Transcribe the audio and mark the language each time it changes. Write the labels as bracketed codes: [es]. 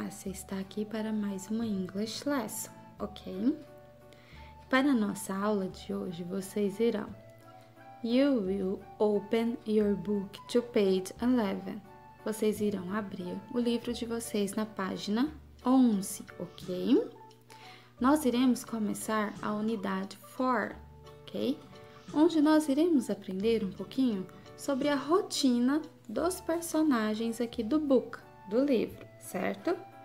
[pt] Está aqui para mais uma English lesson, ok? Para a nossa aula de hoje, vocês irão. [en] You will open your book to page 11. [pt] Vocês irão abrir o livro de vocês na página 11, ok? Nós iremos começar a unidade 4, ok? Onde nós iremos aprender um pouquinho sobre a rotina dos personagens aqui do book, do livro, certo?